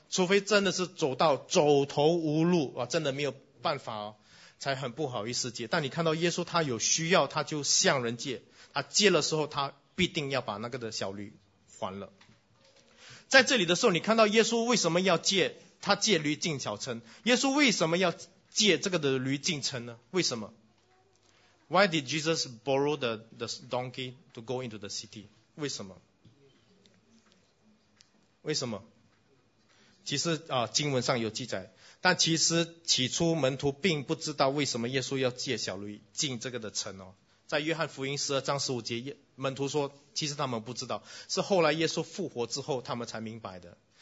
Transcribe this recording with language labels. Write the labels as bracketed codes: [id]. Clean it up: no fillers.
[zh] 除非真的是走到走投无路真的没有办法才很不好意思借。但你看到耶稣他有需要，他就向人借，他借的时候他必定要把那个的小驴还了。在这里的时候，你看到耶稣为什么要借他借驴进小城？耶稣为什么要借这个的驴进城呢？为什么？ [en] Why did Jesus borrow the donkey to go into the city? [zh] 为什么？为什么？其实经文上有记载，但其实起初门徒并不知道为什么耶稣要借小驴进这个的城哦。在约翰福音十二章十五节，门徒说其实他们不知道，是后来耶稣复活之后他们才明白的。